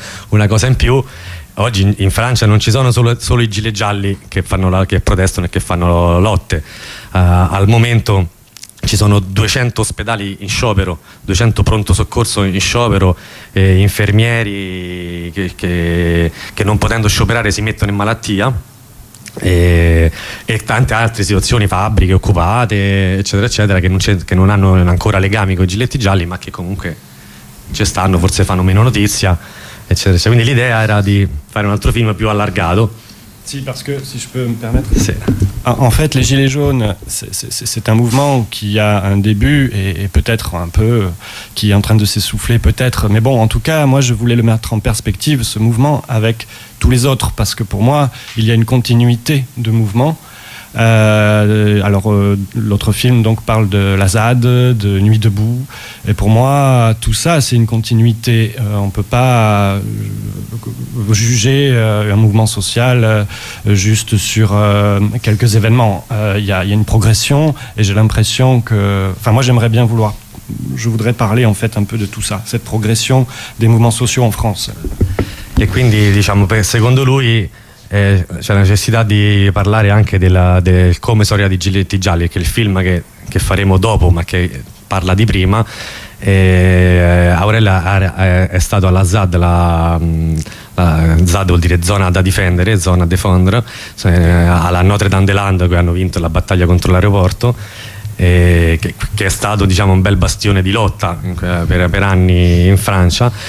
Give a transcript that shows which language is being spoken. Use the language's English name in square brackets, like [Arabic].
[Italian] una cosa in più, oggi in Francia non ci sono solo i gilet gialli che protestano e che fanno lotte, al momento ci sono 200 ospedali in sciopero, 200 pronto soccorso in sciopero, infermieri che non potendo scioperare si mettono in malattia, e tante altre situazioni, fabbriche occupate eccetera eccetera, che non hanno ancora legami con i giletti gialli, ma che comunque ci stanno, forse fanno meno notizia eccetera eccetera. Quindi l'idea era di fare un altro film più allargato. [French] Si, parce que, si je peux me permettre. En fait, les Gilets jaunes, c'est un mouvement qui a un début et peut-être un peu qui est en train de s'essouffler, peut-être. Mais bon, en tout cas, moi, je voulais le mettre en perspective, ce mouvement, avec tous les autres. Parce que pour moi, il y a une continuité de mouvement. L'autre film donc parle de la ZAD, de Nuit debout, et pour moi tout ça c'est une continuité. On peut pas juger un mouvement social juste sur quelques événements. Il y a une progression, et j'ai l'impression que, enfin, moi j'aimerais bien vouloir, je voudrais parler en fait un peu de tout ça, cette progression des mouvements sociaux en France. [Italian] Et quindi diciamo, secondo lui c'è la necessità di parlare anche del come sono arrivati i giletti gialli, che è il film che faremo dopo, ma che parla di prima. Aurella è stato alla ZAD, la ZAD vuol dire zona da difendere, zona defendre, cioè, alla Notre Dame des Landes, che hanno vinto la battaglia contro l'aeroporto, che è stato, diciamo, un bel bastione di lotta per anni in Francia.